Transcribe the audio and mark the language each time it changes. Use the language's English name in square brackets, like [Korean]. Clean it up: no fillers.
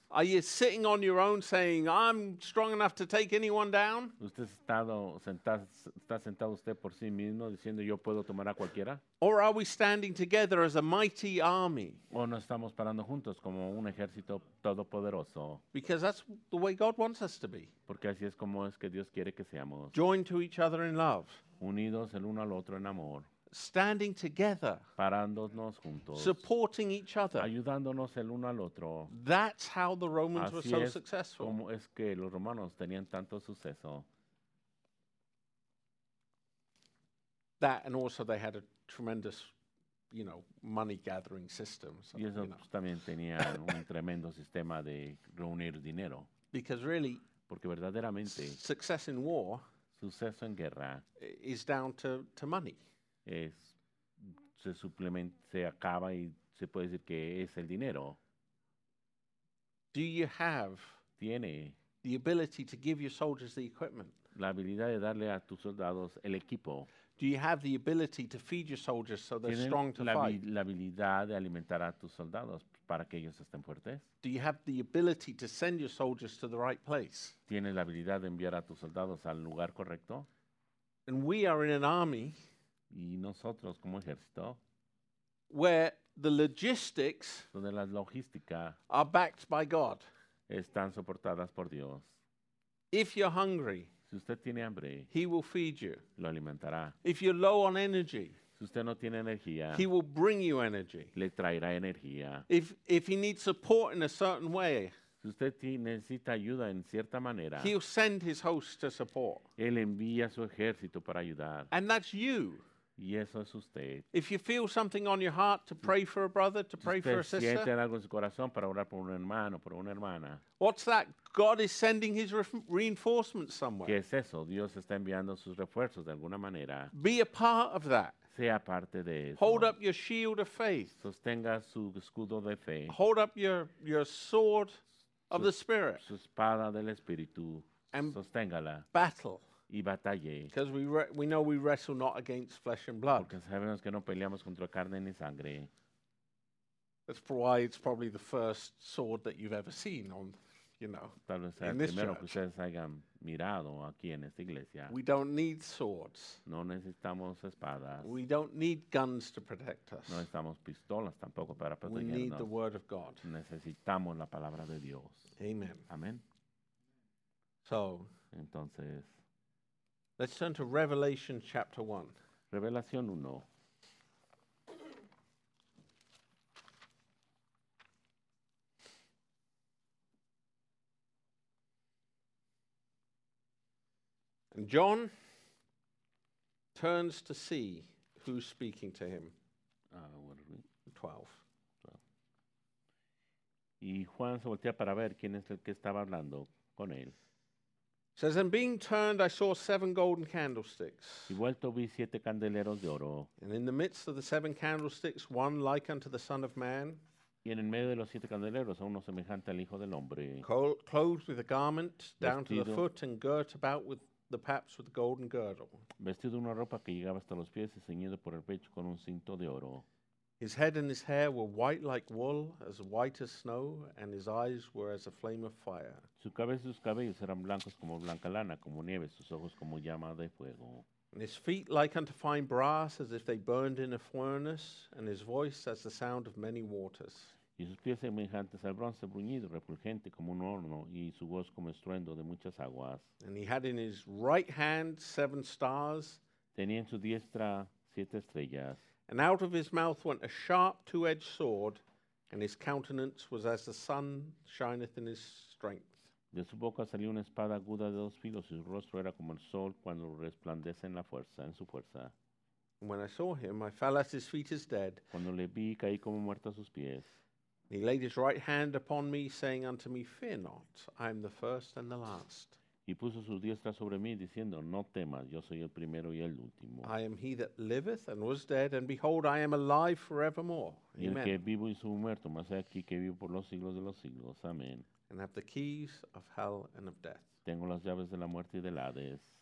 [English] Are you sitting on your own saying, I'm strong enough to take anyone down? [Spanish] ¿Usted está sentado usted por sí mismo diciendo yo puedo tomar a cualquiera? [English] Or are we standing together as a mighty army? [Spanish] ¿O nos estamos parando juntos como un ejército todopoderoso? [English] Because that's the way God wants us to be. [Spanish] Porque así es como es que Dios quiere que seamos. [English] Joined to each other in love. [Spanish] Unidos el uno al otro en amor. [English] Standing together, [Spanish] parándonos juntos, [English] supporting each other, [Spanish] ayudándonos el uno al otro. [English] That's how the Romans were so successful. [Spanish] Así es como es que los romanos tenían tanto suceso. [English] That and also they had a tremendous, you know, money gathering system. So [Spanish] y eso [English] you know. [Spanish] También tenían un tremendo sistema de reunir dinero. [English] Because really, [Spanish] porque verdaderamente, [English] success in war, [Spanish] suceso en guerra, [English] is down to money. [Spanish] Se acaba y se puede decir que es el dinero. [English] Do you have [Spanish] tiene [English] the ability to give your soldiers the equipment? [Spanish] La habilidad de darle a tus soldados el equipo. [English] Do you have the ability to feed your soldiers so they're strong to fight? [Spanish] La habilidad de alimentar a tus soldados para que ellos estén fuertes. [English] Do you have the ability to send your soldiers to the right place? [Spanish] ¿Tienes la habilidad de enviar a tus soldados al lugar correcto? [English] And we are in an army. [Spanish] Y nosotros como ejército, [English] where the logistics, [Spanish] donde la logística, [English] are backed by God, [Spanish] están soportadas por Dios. [English] If you're hungry, [Spanish] si usted tiene hambre, [English] he will feed you, [Spanish] lo alimentará. [English] If you're low on energy, [Spanish] si usted no tiene energía, [English] he will bring you energy, [Spanish] le traerá energía. [English] If he needs support in a certain way, [Spanish] si usted necesita ayuda en cierta manera, [English] he'll send his host to support. [Spanish] Él envía su ejército para ayudar. [English] And that's you. [Spanish] Y eso es usted. [English] If you feel something on your heart to pray for a brother, to pray for a sister, [Spanish] siente algo en su corazón para orar por un hermano, por una hermana. [English] What's that? God is sending his reinforcements somewhere. [Spanish] ¿Qué es eso? Dios está enviando sus refuerzos de alguna manera. [English] Be a part of that. [Spanish] Sea parte de eso. [English] Hold up your shield of faith. [Spanish] Sostenga su escudo de fe. [English] Hold up your sword of the Spirit. [Spanish] Su espada del Espíritu. [English] And [Spanish] sosténgala. [English] Battle. [Spanish] Y batalle. [English] Because we know we wrestle not against flesh and blood. [Spanish] Porque sabemos que no peleamos contra carne ni sangre. [English] That's why it's probably the first sword that you've ever seen on, you know, [Spanish] tal vez sea [English] in this [Spanish] primero [English] church. [Spanish] Que ustedes hayan mirado aquí en esta iglesia. [English] We don't need swords. [Spanish] No necesitamos espadas. [English] We don't need guns to protect us. [Spanish] No necesitamos pistolas tampoco para protegernos. [English] We need the word of God. [Spanish] Necesitamos la palabra de Dios. [English] Amen. [Spanish] Amen. [English] So, [Spanish] entonces, [English] let's turn to Revelation chapter 1. [Spanish] Revelación 1. [English] And John turns to see who's speaking to him. What are we? 12. [Spanish] Y Juan se voltea para ver quién es el que estaba hablando con él. [English] Says, and being turned, I saw seven golden candlesticks. [Spanish] Y vuelto vi siete candeleros de oro. [English] And in the midst of the seven candlesticks, one like unto the Son of Man. [Spanish] Y en el medio de los siete candeleros, uno semejante al Hijo del Hombre. [English] Clothed with a garment down to the foot and girt about with the paps with a golden girdle. [Spanish] Vestido una ropa que llegaba hasta los pies y ceñido por el pecho con un cinto de oro. [English] His head and his hair were white like wool, as white as snow, and his eyes were as a flame of fire. [Spanish] Su cabeza y sus cabellos eran blancos como blanca lana, como nieve, sus ojos como llama de fuego. [English] And his feet like unto fine brass, as if they burned in a furnace, and his voice as the sound of many waters. [Spanish] Y sus pies semejantes al bronce bruñido, refulgente como un horno, y su voz como estruendo de muchas aguas. [English] And he had in his right hand seven stars. [Spanish] Tenía en su diestra siete estrellas. [English] And out of his mouth went a sharp two-edged sword, and his countenance was as the sun shineth in his strength. [Spanish] De su boca salió una espada aguda de dos filos, y su rostro era como el sol cuando resplandece en la fuerza, en su fuerza. [English] And when I saw him, I fell at his feet as dead. [Spanish] Cuando le vi, caí como muerto a sus pies. [English] And he laid his right hand upon me, saying unto me, Fear not, I am the first and the last. [Spanish] Y puso su diestra sobre mí, diciendo, No temas, yo soy el primero y el último. [English] I am he that liveth and was dead, and behold, I am alive forevermore. [Spanish] Y el que vivo y soy muerto, mas he aquí que vivo por los siglos de los siglos. Amén. [English] And have the keys of hell and of death. [Spanish] Tengo las llaves de la muerte y del Hades.